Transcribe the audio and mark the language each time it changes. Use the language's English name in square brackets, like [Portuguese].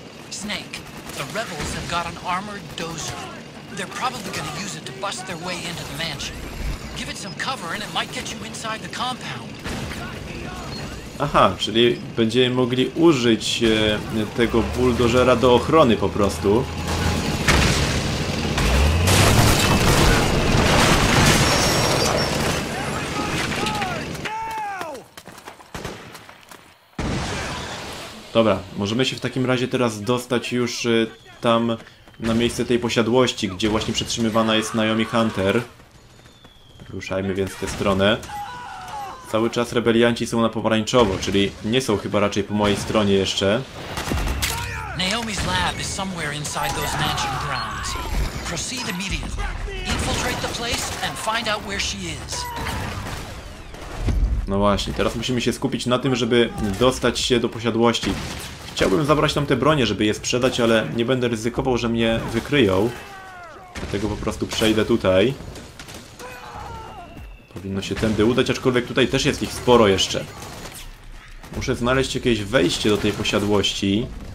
[English] Snake, the rebels have got an armored dozer. They're probably gonna use it to bust their way into the mansion. Give it some cover and it might get you inside the compound. [Polish] Aha, czyli będziemy mogli użyć tego buldożera do ochrony po prostu. Dobra, możemy się w takim razie teraz dostać już tam na miejsce tej posiadłości, gdzie właśnie przetrzymywana jest Naomi Hunter. Ruszajmy więc w tę stronę. Cały czas rebelianci są na pomarańczowo, czyli nie są chyba raczej po mojej stronie jeszcze. [English] Naomi's lab is somewhere inside those mansion grounds. Proceed immediately. Infiltrate the place and find out where she is. [Polish] No właśnie, teraz musimy się skupić na tym, żeby dostać się do posiadłości. Chciałbym zabrać tam te bronie, żeby je sprzedać, ale nie będę ryzykował, że mnie wykryją. Dlatego po prostu przejdę tutaj. Powinno się tędy udać, aczkolwiek tutaj też jest ich sporo jeszcze. Muszę znaleźć jakieś wejście do tej posiadłości.